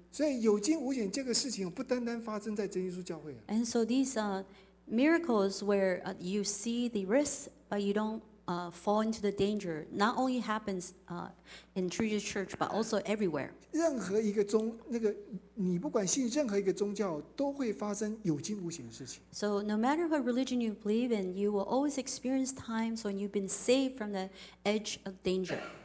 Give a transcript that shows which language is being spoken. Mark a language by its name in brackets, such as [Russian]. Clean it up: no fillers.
[Chinese] 所以有惊无险这个事情不单单发生在真耶稣教会。 [English] And so these miracles where you see the risks, but you don't fall into the danger, not only happens in Trinity Church, but also everywhere. [Chinese] 任何一个宗，那个你不管信任何一个宗教，都会发生有惊无险的事情。 [English] So no matter what religion you believe in, you will always experience times when you've been saved from the edge of danger.